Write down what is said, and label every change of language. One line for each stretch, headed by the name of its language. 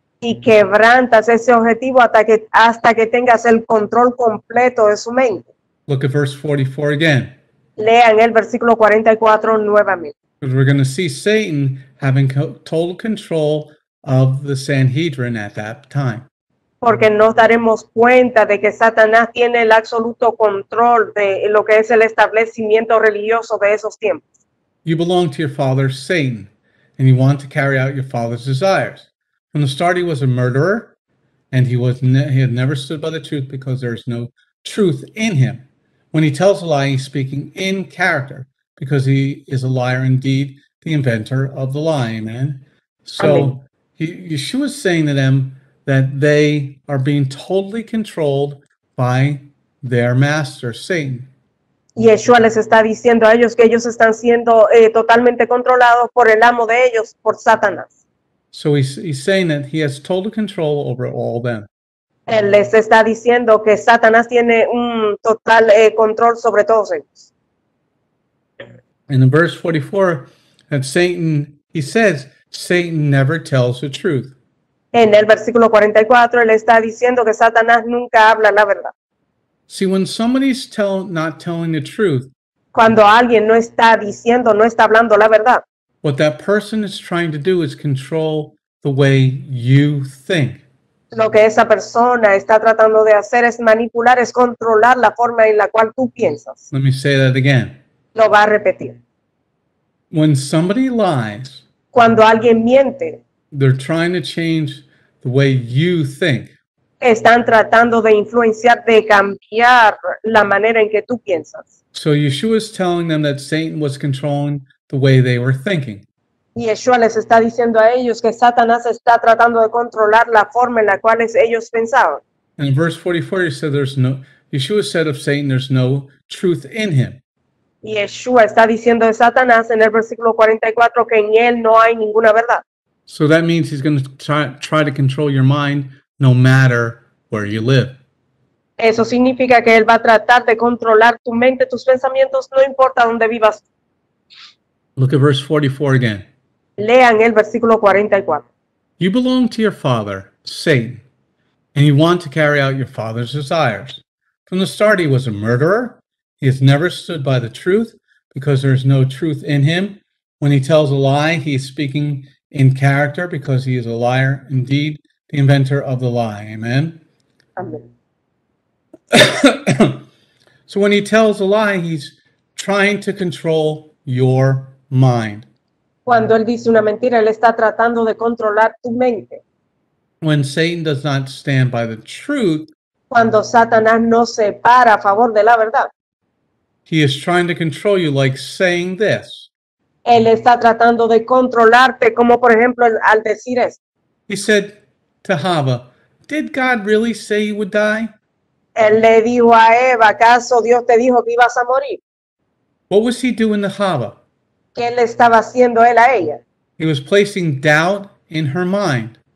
Spanish: Y quebrantas ese objetivo hasta que tengas el control completo de su mente.
English: Look at verse 44 again.
Spanish: Lean el versículo 44 nuevamente.
English: Because we're going to see Satan having total control of the Sanhedrin at that time.
Spanish: Porque nos daremos cuenta de que Satanás tiene el absoluto control de lo que es el establecimiento religioso de esos tiempos.
English: You belong to your father, Satan, and you want to carry out your father's desires. From the start, he was a murderer, and he had never stood by the truth because there is no truth in him. When he tells a lie, he's speaking in character because he is a liar, indeed, the inventor of the lie, amen? So Yeshua is saying to them, that they are being totally controlled by their master, Satan.
Spanish: Yeshua les está diciendo a ellos que ellos están siendo totalmente controlados por el amo de ellos, por Satanás.
English: So he's saying that he has total control over all them.
Spanish: Él les está diciendo que Satanás tiene un total control sobre todos ellos.
English: In verse 44, that Satan, he says, Satan never tells the truth.
Spanish: En el versículo 44, él está diciendo que Satanás nunca habla la verdad.
English: See, when somebody's not telling the truth,
Spanish: cuando alguien no está diciendo, no está hablando la verdad,
English: what that person is trying to do is control the way you think.
Spanish: Lo que esa persona está tratando de hacer es manipular, es controlar la forma en la cual tú piensas.
English: Let me say that again.
Spanish: Lo va a repetir.
English: When somebody lies,
Spanish: cuando alguien miente,
English: they're trying to change the way you think.
Spanish: Están tratando de influenciar, de cambiar la manera en que tú piensas.
English: So Yeshua is telling them that Satan was controlling the way they were thinking.
Spanish: Yeshua les está diciendo a ellos que Satanás está tratando de controlar la forma en la cual ellos pensaban.
English: In verse 44, Yeshua said of Satan, there's no truth in him.
Spanish: Yeshua está diciendo de Satanás en el versículo 44 que en él no hay ninguna verdad.
English: So that means he's going to try to control your mind no matter where you live.
Spanish: Eso significa que él va a tratar de controlar tu mente, tus pensamientos, no importa dónde vivas.
English: Look at verse 44 again.
Spanish: Lean el versículo 44.
English: You belong to your father, Satan, and you want to carry out your father's desires. From the start, he was a murderer. He has never stood by the truth because there is no truth in him. When he tells a lie, he is speaking in character because he is a liar, indeed, the inventor of the lie. Amen? Amen. So when he tells a lie, he's trying to control your mind.
Spanish: Cuando él dice una mentira, él está tratando de controlar tu mente.
English: When Satan does not stand by the truth,
Spanish: cuando Satanás no se para a favor de la verdad,
English: he is trying to control you like saying this.
Spanish: Él está tratando de controlarte, como por ejemplo al decir esto.
English: He said to Hava, did God really say you would die?
Spanish: Él le dijo a Eva, ¿acaso Dios te dijo que ibas a morir?
English: What was he doing to Hava?
Spanish: ¿Qué le estaba haciendo él a ella?
English: He was placing doubt in her mind.